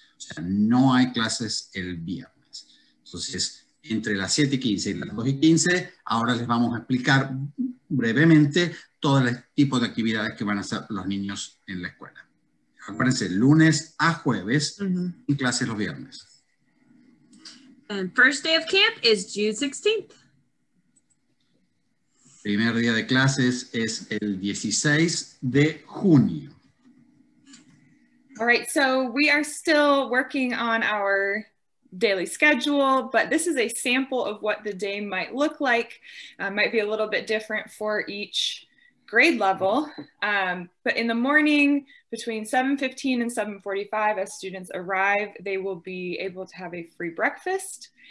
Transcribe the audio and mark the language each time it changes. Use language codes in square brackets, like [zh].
[es] O sea, no hay clases el viernes. Entonces, entre las 7:15 y las 2:15, ahora les vamos a explicar brevemente todos los tipos de actividades que van a hacer los niños en la escuela. Acuérdense, lunes a jueves, en clase los viernes. [en] And first day of camp is June 16th. [es] Primer día de clases es el 16 de junio. [en] All right, so we are still working on our daily schedule, but this is a sample of what the day might look like. Might be a little bit different for each grade level, but in the morning between 7:15 and 7:45, as students arrive, they will be able to have a free breakfast.